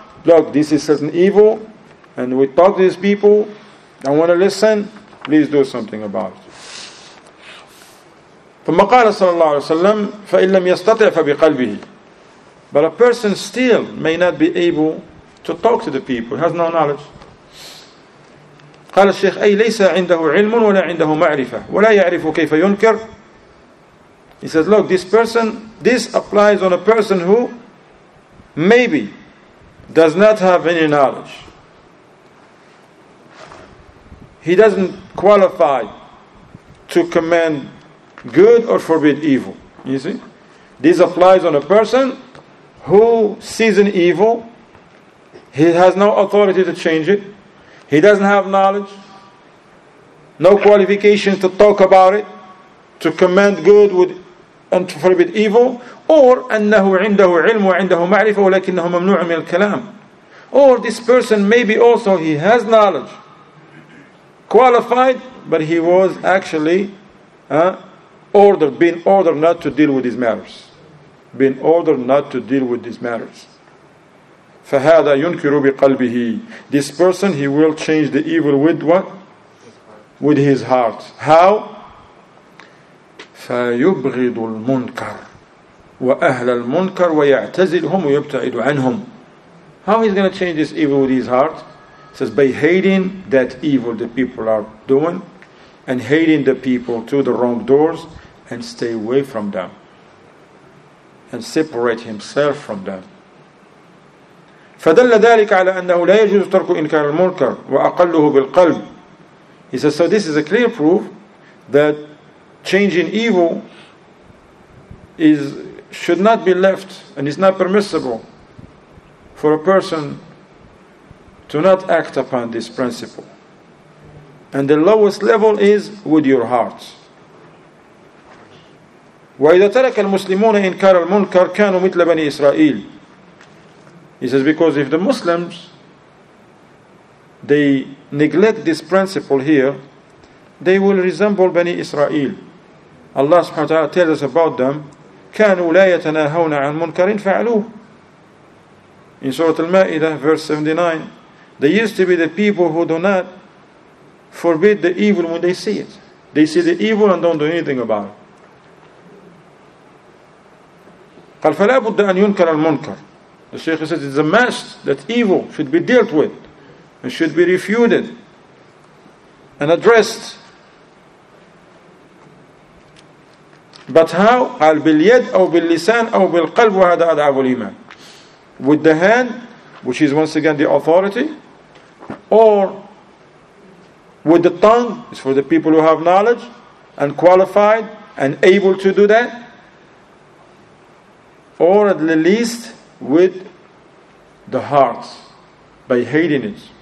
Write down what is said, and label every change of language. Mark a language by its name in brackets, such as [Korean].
[English] Look, this is certain evil. And we talk to these people. I want to listen. Please do something about it. [Arabic] فَمَقَالَ صَلَى اللَّهُ عَلَيْهِ وَسَلَّمْ فَإِنْ لَمْ يَسْتَطِعْ فَبِقَلْبِهِ. [English] But a person still may not be able to talk to the people. He has no knowledge. [Arabic] قال الشيخ أي ليس عنده علم ولا عنده معرفة ولا يعرف كيف ينكر. [English] He says, look, this person, this applies on a person who maybe does not have any knowledge. He doesn't qualify to command good or forbid evil. You see? This applies on a person who sees an evil. He has no authority to change it. He doesn't have knowledge, no qualifications to talk about it, to command good with and to forbid evil, or [Arabic] أنه عنده علم وعنده معرفة ولكنه ممنوع من الكلام. [English] Or this person maybe also he has knowledge, qualified, but he was actually being ordered not to deal with these matters. Being ordered not to deal with these matters. [Arabic] فهذا ينكر بقلبه. [English] This person he will change the evil with what? With his heart. How? [Arabic] فيبغض المنكر وأهل المنكر ويعتزلهم ويبتعد عنهم. [English] How he's going to change this evil with his heart? It says by hating that evil the people are doing, and hating the people to the wrong doors, and stay away from them, and separate himself from them. [Arabic] فدل ذلك على أنه لا يجوز ترك إنكار المنكر وأقله بالقلب. [English] He says, so this is a clear proof that changing evil should not be left and is not permissible for a person to not act upon this principle. And the lowest level is with your heart. [Arabic] وَإِذَا تَرَكَ الْمُسْلِمُونَ إِنْكَارَ الْمُنْكَرِ كَانُوا مِثْلَ بَنِي إِسْرَائِيلِ. [English] He says, because if the Muslims, they neglect this principle here, they will resemble Bani Israel. Allah subhanahu wa ta'ala tells us about them. [Arabic] كَانُوا لَا يَتَنَاهَوْنَ عَنْ مُنْكَرٍ فَعَلُوهُ. [English] In Surah Al-Ma'idah, verse 79, they used to be the people who do not forbid the evil when they see it. They see the evil and don't do anything about it. [Arabic] قال فلا بد أن ينكر المنكر. [English] The Shaykh says it's a must that evil should be dealt with and should be refuted and addressed. But how? [Arabic] قال باليد أو باللسان أو بالقلب وهذا أضعف الإيمان. [English] With the hand, which is once again the authority, or with the tongue, it's for the people who have knowledge and qualified and able to do that. Or at the least with the heart, by hating it.